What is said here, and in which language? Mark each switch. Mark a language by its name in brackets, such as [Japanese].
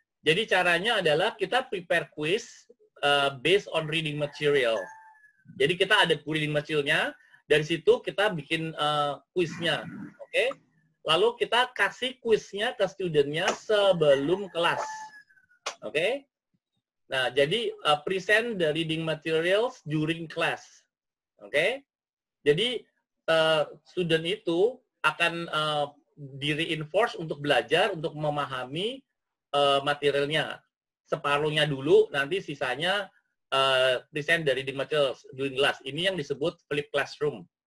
[Indonesian] Jadi caranya adalah kita [English] prepare quiz based on reading material. [Indonesian] Jadi kita ada reading material-nya, dari situ kita bikin quiz-nya. Oke? Lalu kita kasih quiz-nya ke student-nya sebelum kelas. Oke? Nah, jadi [English] present the reading materials during class. Oke? [Indonesian] Jadi student itu akan di-reinforce untuk belajar, untuk memahami materialnya. Separuhnya dulu, nanti sisanya [English] present [Indonesian] dari [English] reading materials during class. [Indonesian] Ini yang disebut flip classroom.